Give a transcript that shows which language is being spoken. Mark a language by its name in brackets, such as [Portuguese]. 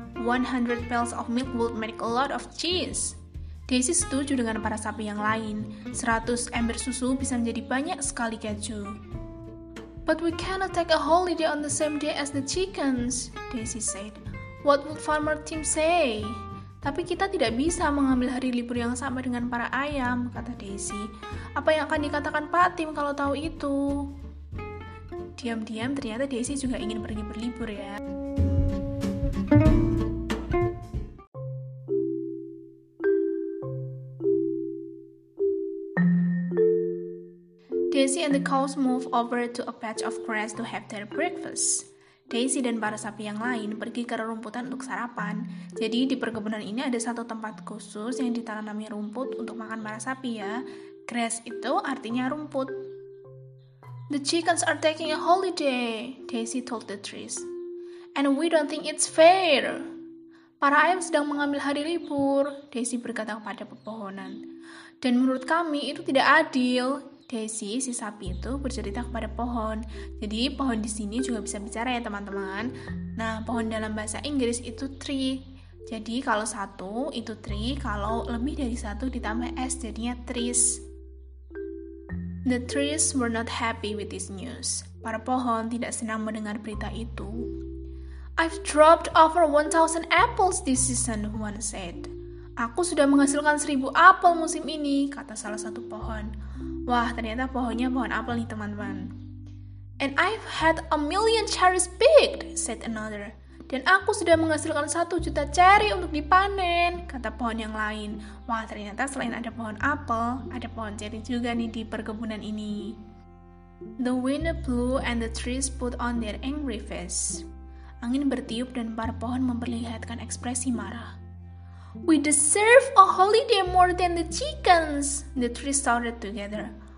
[English] 100 pails of milk would make a lot of cheese. [Indonesian] Daisy setuju dengan para sapi yang lain. 100 ember susu bisa menjadi banyak sekali keju. [English] But we cannot take a holiday on the same day as the chickens, Daisy said. What would Farmer Tim say? [Indonesian] Tapi kita tidak bisa mengambil hari libur yang sama dengan para ayam, kata Daisy. Apa yang akan dikatakan Pak Tim kalau tahu itu? Diam-diam ternyata Daisy juga ingin pergi berlibur ya. [English] Daisy and the cows move over to a patch of grass to have their breakfast. [Indonesian] Daisy dan para sapi yang lain pergi ke rerumputan untuk sarapan. Jadi di perkebunan ini ada satu tempat khusus yang ditanami rumput untuk makan para sapi ya. Grass itu artinya rumput. [English] The chickens are taking a holiday, Daisy told the trees. And we don't think it's fair. [Indonesian] Para ayam sedang mengambil hari libur, Daisy berkata kepada pepohonan. Dan menurut kami itu tidak adil. Daisy, si sapi itu, bercerita kepada pohon. Jadi, pohon di sini juga bisa bicara ya, teman-teman. Nah, pohon dalam bahasa Inggris itu tree. Jadi, kalau satu itu tree, kalau lebih dari satu ditambah S, jadinya trees. [English] The trees were not happy with this news. [Indonesian] Para pohon tidak senang mendengar berita itu. [English] I've dropped over 1,000 apples this season, one said. [Indonesian] Aku sudah menghasilkan 1,000 apel musim ini, kata salah satu pohon. Wah, ternyata pohonnya pohon apel nih, teman-teman. [English] And I've had 1,000,000 cherries picked, said another. [Indonesian] Dan aku sudah menghasilkan 1,000,000 cherry untuk dipanen, kata pohon yang lain. Wah, ternyata selain ada pohon apel, ada pohon cherry juga nih di perkebunan ini. [English] The wind blew and the trees put on their angry face. [Indonesian] Angin bertiup dan para pohon memperlihatkan ekspresi marah. [English] We deserve a holiday more than the chickens, the trees shouted together.